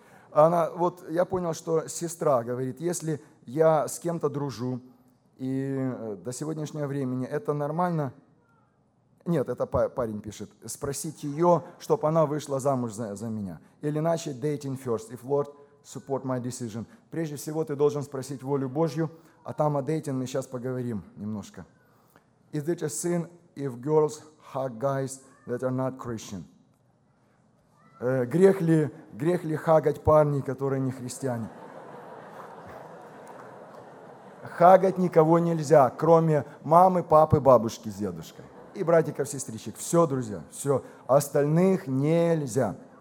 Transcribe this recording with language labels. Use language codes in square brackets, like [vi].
[ru] Она, вот я понял, что сестра говорит, если я с кем-то дружу, и до сегодняшнего времени это нормально? Нет, это парень пишет, спросить ее, чтобы она вышла замуж за меня. Или начать [en] dating first, if Lord support my decision. [ru] Прежде всего, ты должен спросить волю Божью, а там о дейтинге мы сейчас поговорим немножко. [en] Is it a sin if girls hug guys that are not Christian? [ru] Грех ли хагать парней, которые не христиане? Хагать никого нельзя, кроме мамы, папы, бабушки с дедушкой. И братиков, сестричек. Все, друзья, все. Остальных нельзя.